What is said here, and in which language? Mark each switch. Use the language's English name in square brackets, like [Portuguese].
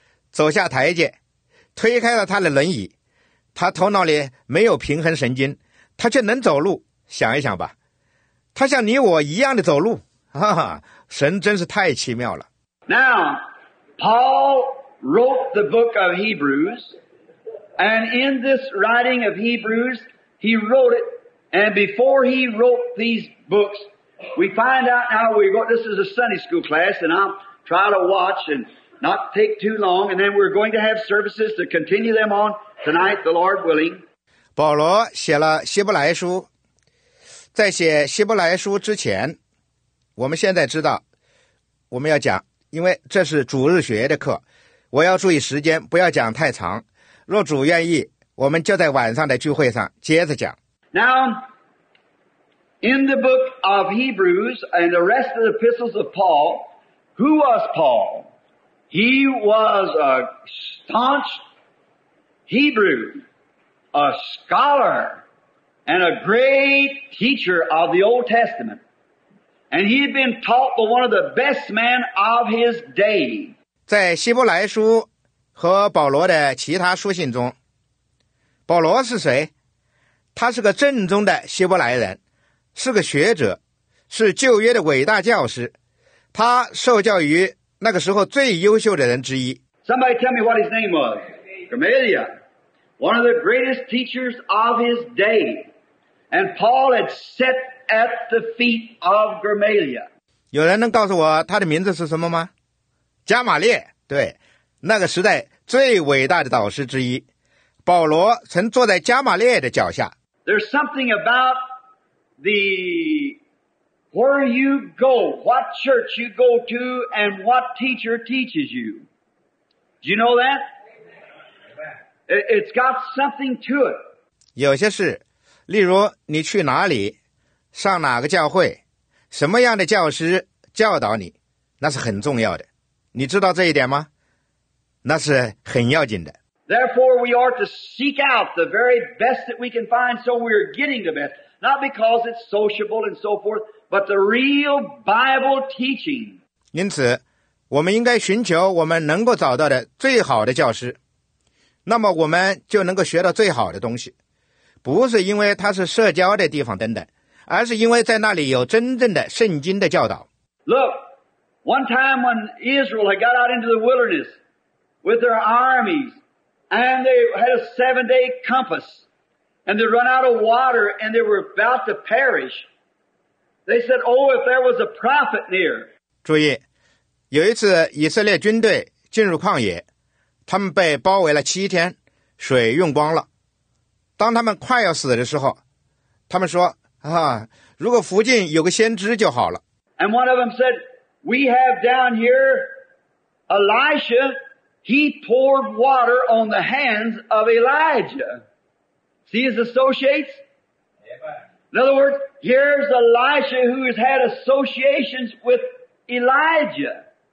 [Chinese] 走下台阶，推开了他的轮椅，他头脑里没有平衡神经，他却能走路。想一想吧，他像你我一样的走路，哈哈，神真是太奇妙了。 [English] Now, Paul wrote the book of Hebrews, and in this writing of Hebrews, he wrote it, and before he wrote these books, we find out now we go, this is a Sunday school class, and I'll try to watch and not take too long, and then we're going to have services to continue them on tonight, the Lord willing. [Chinese] 保罗写了希伯来书，在写希伯来书之前，我们现在知道我们要讲，因为这是主日学的课，我要注意时间，不要讲太长。若主愿意，我们就在晚上的聚会上接着讲。 [English] Now, in the book of Hebrews and the rest of the epistles of Paul, who was Paul? He was a staunch Hebrew, a scholar, and a great teacher of the Old Testament. And he had been taught by one of the best men of his day. [Chinese] 在希伯来书和保罗的其他书信中。保罗是谁？他是个正宗的希伯来人，是个学者，是旧约的伟大教师，他受教于那个时候最优秀的人之一。 [English] Somebody tell me what his name was. Gamaliel, one of the greatest teachers of his day. And Paul had sat at the feet of Gamaliel. [Chinese] 有人能告诉我他的名字是什么吗？加马列，对，那个时代最伟大的导师之一，保罗曾坐在加马列的脚下。 [English] There's something about the where you go, what church you go to, and what teacher teaches you. Do you know that? It's got something to it. [Chinese] 有些事，例如你去哪里，上哪个教会，什么样的教师教导你，那是很重要的。你知道这一点吗？那是很要紧的。 [English] Therefore, we are to seek out the very best that we can find, so we are getting the best. Not because it's sociable and so forth, but the real Bible teaching. [Chinese] 因此，我们应该寻求我们能够找到的最好的教师，那么我们就能够学到最好的东西。不是因为它是社交的地方等等，而是因为在那里有真正的圣经的教导。 [English] Look, one time when Israel had got out into the wilderness with their armies. And they had a seven-day compass, and they run out of water, and they were about to perish. They said, "Oh, if there was a prophet near." [Chinese] 注意，有一次以色列军队进入旷野，他们被包围了七天，水用光了。当他们快要死的时候，他们说：“啊，如果附近有个先知就好了。” [English] And one of them said, "We have down here Elisha." He poured water on the hands of Elijah. See his associates? In other words, here's Elisha who has had associations with Elijah.